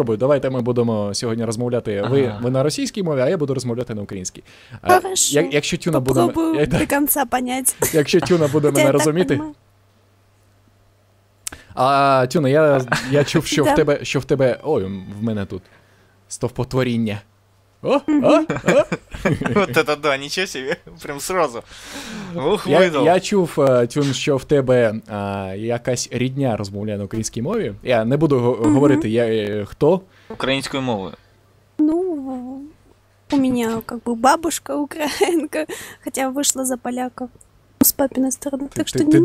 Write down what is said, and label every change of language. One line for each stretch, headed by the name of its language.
Ukrainian: Давайте ми будемо сьогодні розмовляти. Ага. Ви на російській мові, а я буду розмовляти на українській. Якщо Тюна буде...
Russian: Попробую до кінця поняти.
Ukrainian: Якщо Тюна буде мене розуміти. А, Тюна, я чув, що, що в тебе... Ой, в мене тут стовпотворіння.
Russian: Вот это да, ничего себе, прям сразу. Ух,
Ukrainian: я чув, Тюн, що в тебе якась рідня розмовляє на українській мові. Я не буду говорити, я хто? Українською мовою. Ну, у мене
Russian: как бы бабушка
Ukrainian: українка, хоча вийшла за поляка з папиної сторони,
Russian: так що немножко.